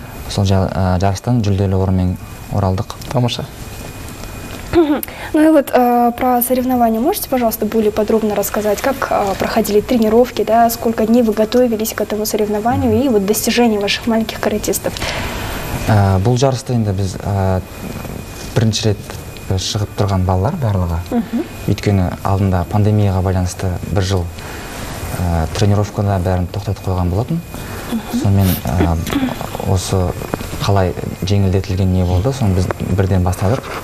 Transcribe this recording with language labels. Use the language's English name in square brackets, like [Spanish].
[Kazakh] Сол жарыстан жүлделі орынмен оралдық. Тамаша. [Russian] Ну и вот про соревнования можете, пожалуйста, более подробно рассказать, как проходили тренировки, да, сколько дней вы готовились к этому соревнованию и вот достижения ваших маленьких каратистов? [Kazakh] Бұл жарысты енді біз бірінші рет шығып тұрған балалар барлығы. Өйткені алдында пандемияға байланысты бір жыл тренировканы бәрін тоқтатып қойған болатын. Сонымен осы қалай жеңілдетілген не болды, соны біз бірден бастадық.